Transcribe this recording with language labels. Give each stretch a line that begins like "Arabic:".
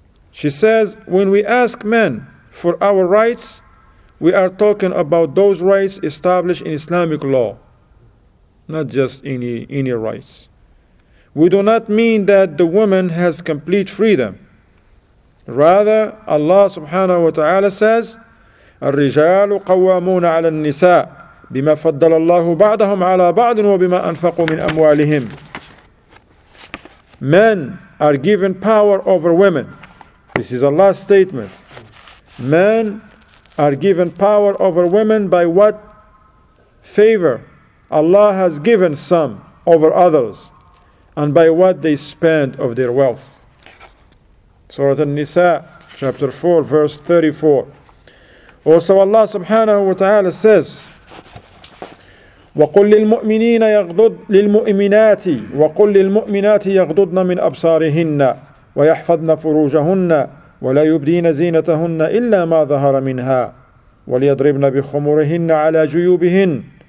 English: She says, when we ask men for our rights, we are talking about those rights established in Islamic law, not just any rights. We do not mean that the woman has complete freedom. Rather, Allah subhanahu wa ta'ala says,
Arabic: الرجال قوامون على النساء بما فضل الله بعضهم على بعض وبما أنفقوا من أموالهم.
English: Men are given power over women. This is Allah's statement. Men are given power over women by what favor Allah has given some over others and by what they spend of their wealth. Surah An-Nisa, chapter 4, verse 34. Also Allah subhanahu wa ta'ala says,
Arabic: وَقُلْ لِلْمُؤْمِنِينَ يَغْضُضْ لِلْمُؤْمِنَاتِ وَقُلْ لِلْمُؤْمِنَاتِ يَغْضُضْنَ مِنْ أَبْصَارِهِنَّ وَيَحْفَظْنَ فُرُوجَهُنَّ وَلَا يُبْدِينَ زِينَتَهُنَّ إِلَّا مَا ظَهَرَ مِنْهَا وَلْيَضْرِبْنَ بِخُمُرِهِنَّ عَلَى جُيُوبِهِنَّ